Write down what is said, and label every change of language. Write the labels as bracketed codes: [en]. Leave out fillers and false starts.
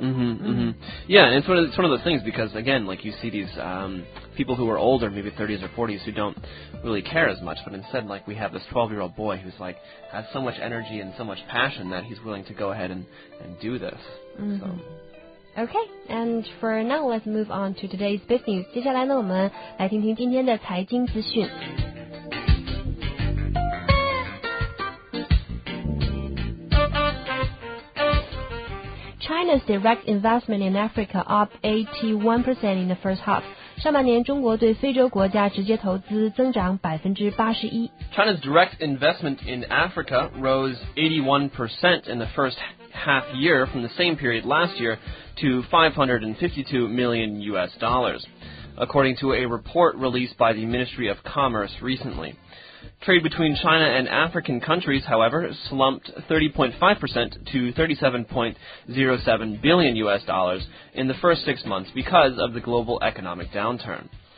[en] Yeah, and it's one of those things, because, again, like, you see these people who are older, maybe 30s or 40s, who don't really care as much, but instead, like, we have this 12-year-old boy who's, like, has so much energy and so much passion that he's willing to go ahead and do this. So. Okay, and for now, let's move on to today's business. [zh] 接下来呢，我们来听听今天的财经资讯。 [en] China's direct investment in Africa up 81% in the first half. [zh] 上半年中国对非洲国家直接投资增长81%。 [en] China's direct investment in Africa rose 81% in the first half year from the same period last year to $552 million, according to a report released by the Ministry of Commerce recently. Trade between China and African countries, however, slumped 30.5% to $37.07 billion in the first 6 months because of the global economic downturn.